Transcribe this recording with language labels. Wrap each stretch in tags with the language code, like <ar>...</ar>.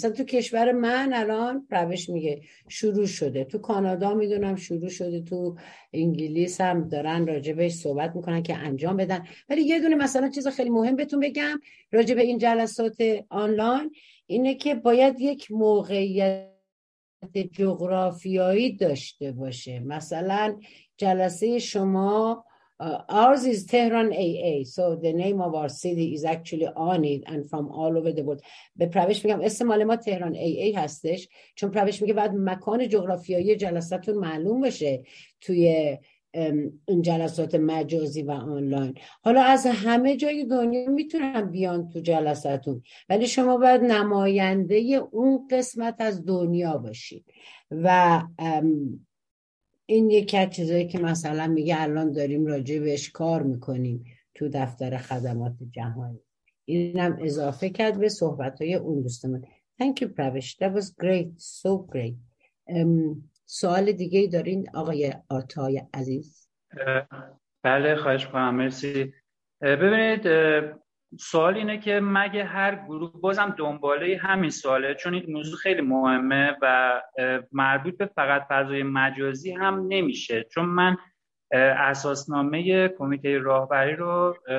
<fa>مثلا تو کشور من الان روش میگه شروع شده، تو کانادا میدونم شروع شده، تو انگلیس هم دارن راجبش صحبت میکنن که انجام بدن. ولی یه دونه مثلا چیز خیلی مهم بهتون بگم راجب این جلسات آنلاین، اینه که باید یک موقعیت جغرافیایی داشته باشه. مثلا جلسه شما</fa> <en>ours is Tehran AA, so the name of our city is actually on it and from all over the world.</en> <fa>به پروش میگم اسم مال ما تهران AA هستش، چون پروش میگه بعد مکان جغرافیایی جلستتون معلوم بشه توی این جلسات مجازی و آنلاین. حالا از همه جای دنیا میتونن بیان تو جلستتون، ولی شما باید نماینده اون قسمت از دنیا باشید. و این یکی از چیزایی که مثلا میگه الان داریم راجع بهش کار میکنیم تو دفتر خدمات جهانی. اینم اضافه کرد به صحبت های اون دوستمون.</fa> <en>Thank you Pravesh, that was great, so great.</en> <fa>سوال دیگه دارین آقای آرتای عزیز؟ بله خواهش کنم، مرسی. ببینید سوال اینه که مگه هر گروه بازم دنباله همین سواله، چون این موضوع خیلی مهمه و مربوط به فقط فضای مجازی هم نمیشه، چون من اساسنامه کمیته راهبری رو</fa>